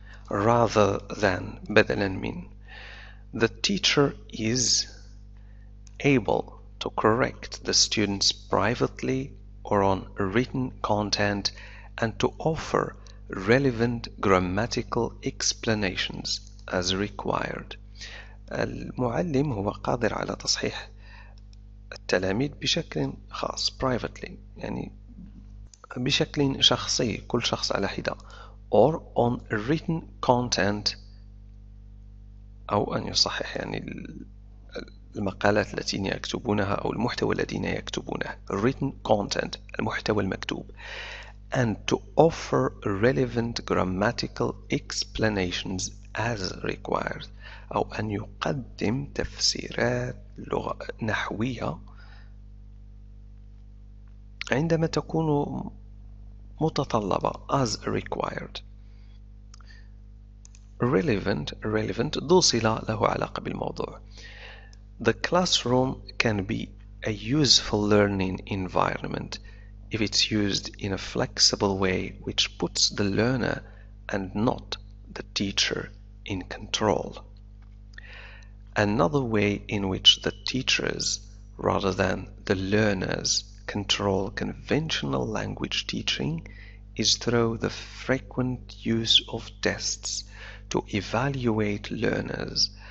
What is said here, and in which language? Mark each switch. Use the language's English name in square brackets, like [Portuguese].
[English] Rather than [Arabic] بدلا من [English] the teacher is able to correct the students privately or on written content and to offer relevant grammatical explanations as required. [Arabic] المعلم هو قادر على تصحيح التلاميذ بشكل خاص privately يعني بشكل شخصي كل شخص على حدة [English] or on written content [Arabic] أو أن يصحح يعني المقالات التي يكتبونها أو المحتوى الذي يكتبونه [English] written content [Arabic] المحتوى المكتوب [English] and to offer relevant grammatical explanations as required [Arabic] أو أن يقدم تفسيرات لغة نحوية عندما تكون متطلبة [English] as required. [Arabic] Relevant ذو صلة له علاقة بالموضوع. [English] The classroom can be a useful learning environment if it's used in a flexible way which puts the learner and not the teacher in control. Another way in which the teachers rather than the learners control conventional language teaching is through the frequent use of tests to evaluate learners.